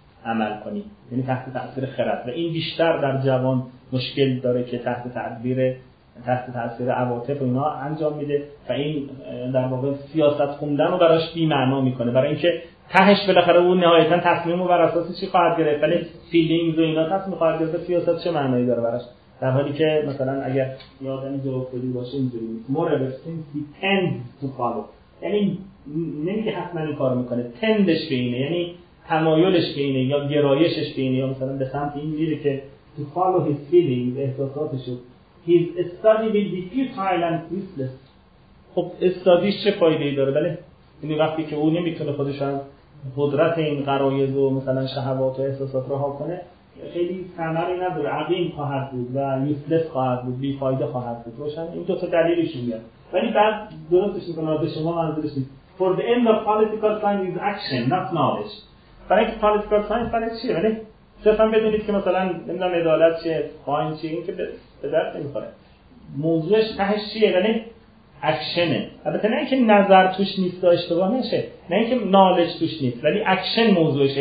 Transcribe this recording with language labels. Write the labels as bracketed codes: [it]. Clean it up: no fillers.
[fa] عمل کنی، یعنی تحت تاثیر خرد، و این بیشتر در جوان مشکل داره که تحت تاثیر عواطف و اینا انجام میده، و این در واقع سیاست خوندن رو براش بی‌معنا میکنه، برای اینکه تهش بالاخره اون نهایتا تصمیم رو بر اساس چی خواهد گرفت، ولی فیلینگز و اینا تصمیم خواهد گرفت، سیاست چه معنایی داره براش. در حالی که مثلا اگر یادم جوابگویی باشه اینجوری نیست. [en] Moreover, since he tends to follow، [fa] یعنی نمیگه حتما این کار میکنه، تندش به اینه، یعنی تمایلش به اینه یا گرایشش به اینه یا مثلا به سمت این میره که [en] to follow his feelings، [fa] احساساتشو. [en] His study will be futile and useless. [fa] خب استادیش چه فایده‌ای داره؟ بله، یعنی وقتی که او نمیتونه خودش از قدرت این غرایز و مثلا شهوات و احساسات رها کنه، خیلی ثمری نداره، عقیم خواهد بود و یوسلس خواهد بود، بی فایده خواهد بود. روشن این دو تا دلیلشون میاد، ولی بعد درستش میکنه به شما منظورش نیست. [en] For the end of political science is action not knowledge، [fa] برای اینکه پالیتیکال ساینس برای چیه؟ یعنی صرفا بدونید که مثلا نمیدونم عدالت چیه، قانون چیه، این که به درد نمیخوره. موضوعش تهش چیه؟ یعنی اکشنه. البته نه اینکه نظر توش نیست و اشتباه نشه، نه اینکه نالج توش نیست، ولی اکشن موضوعشه.